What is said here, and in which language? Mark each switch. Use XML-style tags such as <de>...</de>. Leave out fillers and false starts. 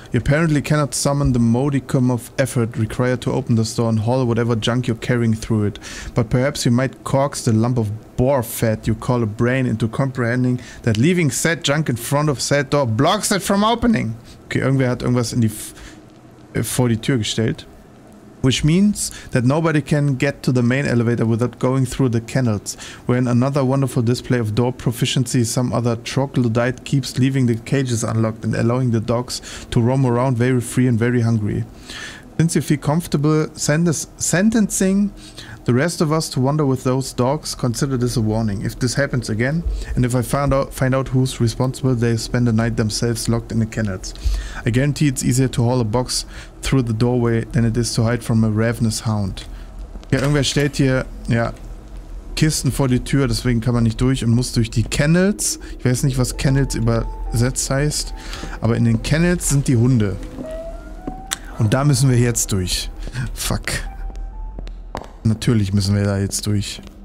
<en>You apparently cannot summon the modicum of effort required to open this door and haul whatever junk you're carrying through it. But perhaps you might coax the lump of boar fat you call a brain into comprehending that leaving said junk in front of said door blocks it from opening.</en> <de>Okay, irgendwer hat irgendwas in die vor die Tür gestellt.</de> <en>Which means that nobody can get to the main elevator without going through the kennels. Where in another wonderful display of door proficiency, some other troglodyte keeps leaving the cages unlocked and allowing the dogs to roam around very free and very hungry. Since you feel comfortable sentencing the rest of us to wander with those dogs, consider this a warning. If this happens again, and if I find out who's responsible, they spend the night themselves locked in the kennels. I guarantee it's easier to haul a box through the doorway than it is to hide from a ravenous hound.</en> <de>Ja, irgendwer stellt hier, ja, Kisten vor die Tür, deswegen kann man nicht durch und muss durch die Kennels. Ich weiß nicht, was Kennels übersetzt heißt, aber in den Kennels sind die Hunde. Und da müssen wir jetzt durch. Fuck. Natürlich müssen wir da jetzt durch.</de>